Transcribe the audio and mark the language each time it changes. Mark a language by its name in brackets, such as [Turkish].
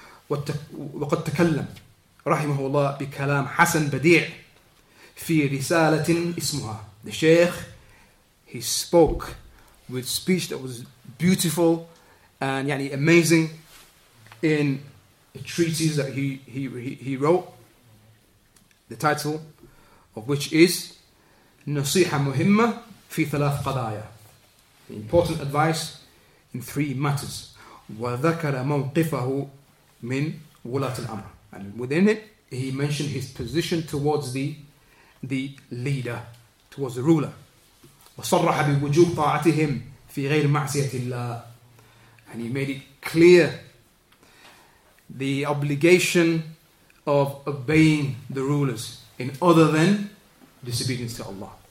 [Arabic] وقد تكلم رحمه الله بكلام حسن بديع في رسالة اسمها. [English] The Sheikh, he spoke with speech that was beautiful and [Arabic] يعني [English] amazing in a treatise that he wrote, the title of which is [Arabic] نصيحة مهمة في ثلاث قضايا, [English] important advice in three matters. [Arabic] وذكر موقفه من ولاة الأمر. [English] And within it, he mentioned his position towards the leader, towards the ruler. [Arabic] وصرح بوجوب طاعتهم في غير معصية الله. [English] And he made it clear the obligation of obeying the rulers in other than disobedience to Allah.